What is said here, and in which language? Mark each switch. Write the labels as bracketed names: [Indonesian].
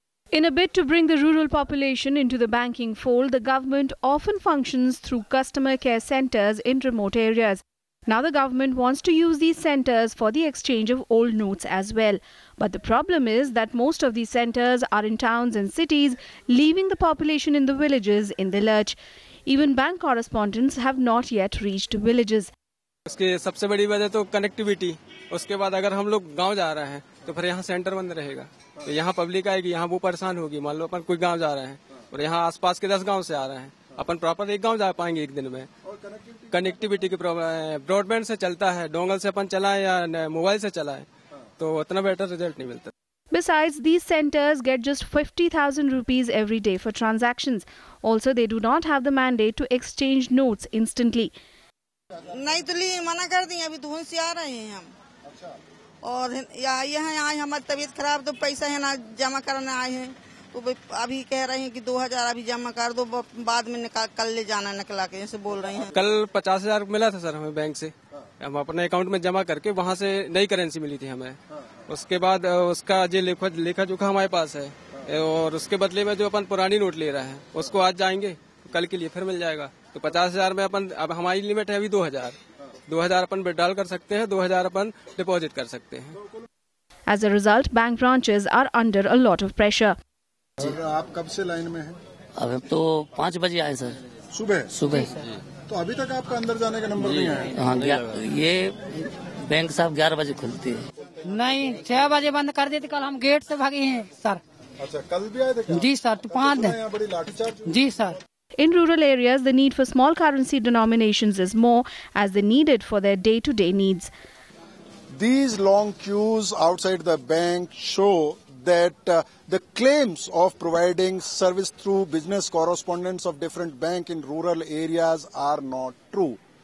[English] In a bid to bring the rural population into the banking fold, the government often functions through customer care centers in remote areas. Now the government wants to use these centers for the exchange of old notes as well. But the problem is that most of these centers are in towns and cities, leaving the population in the villages in the lurch. Even bank correspondents have not yet reached villages. [Hindi] उसके सबसे बड़ी वजह तो connectivity, उसके बाद अगर हम लोग गांव जा रहे हैं तो फिर यहां सेंटर बंद रहेगा, तो यहां पब्लिक आएगी, यहां वो परेशान होगी। मान लो अपन कोई गांव जा रहे हैं और यहां आसपास के 10 गांव से आ रहे हैं, अपन प्रॉपर एक गांव जा पाएंगे एक दिन में? कनेक्टिविटी की प्रॉब्लम है, ब्रॉडबैंड से चलता है, डोंगल से अपन चलाए या मोबाइल से चलाए तो उतना बेटर रिजल्ट नहीं मिलता। [English] Besides, these centers get just 50,000 rupees every day for transactions. Also, they do not have the mandate to exchange notes instantly. [Hindi] नई दिल्ली मना कर दी, अभी धुन से आ रहे हैं हम, और यहाँ हमारी तबीयत खराब, तो पैसा है ना जमा करने आए हैं, तो अभी कह रहे हैं कि 2,000 अभी जमा कर दो, बाद में कल ले जाना निकला के ऐसे बोल रहे हैं। कल 50,000 मिला था सर हमें बैंक से, हम अपने अकाउंट में जमा करके वहाँ से नई करेंसी मिली थी हमें, उसके बाद उसका जो लेखा जोखा हमारे पास है और उसके बदले में जो अपन पुरानी नोट ले रहा है उसको आज जाएंगे, कल के लिए फिर मिल जाएगा। तो 50,000 में अपन, अब हमारी लिमिट है अभी 2,000 अपन विड्रॉल कर सकते हैं, 2,000 अपन डिपॉजिट कर सकते हैं। [English] As a result, bank branches are under a lot of pressure. [Hindi] आप कब से लाइन में हैं? अब तो 5 बजे आए सर। सुबह तो अभी तक आपका अंदर जाने का नंबर नहीं आया? हाँ, ये बैंक साहब 11 बजे खुलती है। नहीं, 6 बजे बंद कर देते, कल हम गेट से भागे हैं सर। अच्छा, कल भी आए थे? जी सर, 5 दिन। बड़ी लाठीचार्ज? जी sir. [English] In rural areas, the need for small currency denominations is more as they need it for their day-to-day needs. These long queues outside the bank show that the claims of providing service through business correspondents of different bank in rural areas are not true.